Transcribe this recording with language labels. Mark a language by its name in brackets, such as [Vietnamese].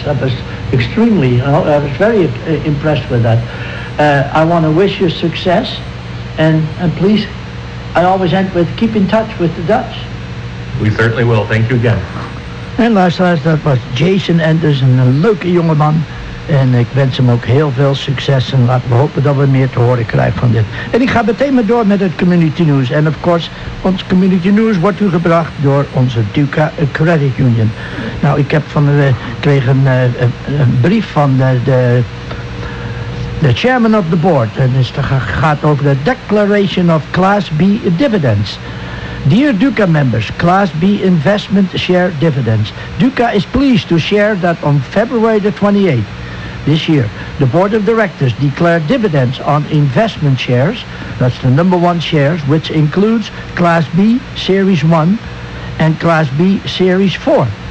[English] I was extremely, I was very impressed with that. I want to wish you success. And please, I always end with keep in touch with the Dutch. We certainly will. Thank you again. And last, that was Jason Anderson, a [Dutch] leuke jongeman. En ik wens hem ook heel veel succes en laten we hopen dat we meer te horen krijgen van dit. En ik ga meteen maar door met het community news. En [English] of course, [Dutch] ons community news wordt u gebracht door onze Duca Credit Union. Nou, ik heb kreeg een brief van de [English] chairman of the board. [Dutch] En het gaat over de Declaration of Class B Dividends. [English] Dear Duca members, Class B Investment Share Dividends. Duca is pleased to share that on February the 28th, this year, the board of directors declared dividends on investment shares, that's the number one shares, which includes Class B Series 1 and Class B Series 4.